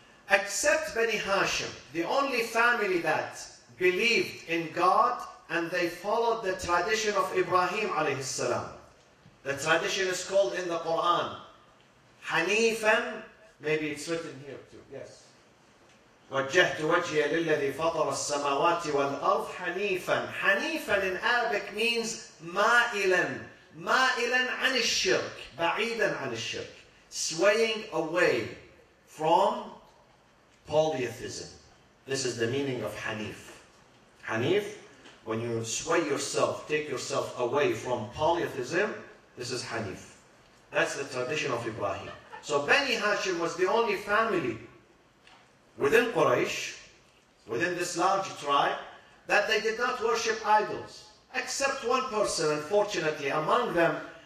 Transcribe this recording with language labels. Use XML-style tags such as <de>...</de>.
<en>Except Bani Hashim, the only family that believed in God and they followed the tradition of Ibrahim alayhi salam. The tradition is called in the Quran, Hanifan. Maybe it's written here too. Yes.</en> <ar>وَجَّهْتُ وَجْهِيَ لِلَّذِي فَطَرَ السَّمَاوَاتِ وَالْأَرْضِ حَنِيفًا. حَنِيفًا</ar> <en>in Arabic means</en> <ar>مَائِلًا, مائلا عن الشرك بعيدا عن الشرك</ar> <en>swaying away from polytheism. This is the meaning of Hanif. Hanif, when you sway yourself, take yourself away from polytheism, this is Hanif. That's the tradition of Ibrahim. So Bani Hashim was the only family within Quraysh, within this large tribe, that they did not worship idols, except one person, unfortunately, among them.</en>